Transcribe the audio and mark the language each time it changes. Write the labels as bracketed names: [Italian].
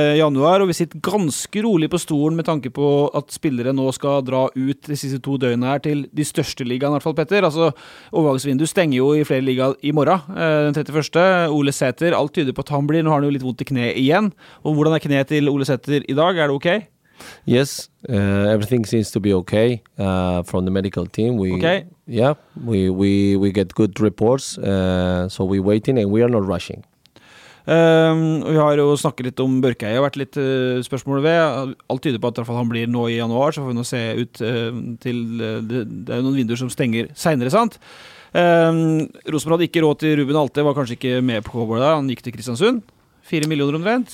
[Norwegian] januar, og vi sitter ganske rolig på stolen med tanke på at spillere nå skal dra ut de siste to døgnene her til de største ligaene, i hvert fall, Petter. Altså, overgangsvinduet stenger jo I flere ligaer I morgen, den 31. Ole Sæter, alt tyder på at han blir, nå har han jo litt vondt I kne igjen. Og hvordan kne til Ole Sæter I dag? Det ok? [English] Yes, everything seems to be okay from the medical team. We get good reports, so we're waiting and we are not rushing. [Norwegian] Vi har jo snakket litt om Børkeie, det har vært litt spørsmål ved. Alt tyder på at I hvert fall han blir nå I januar, så får vi nå se ut til, det jo noen vinduer som stenger senere, sant? Rosenborg hadde ikke råd til Ruben Alte, var kanskje ikke med på Kåbord da, han gikk til Kristiansund. 4 millioner omtrent.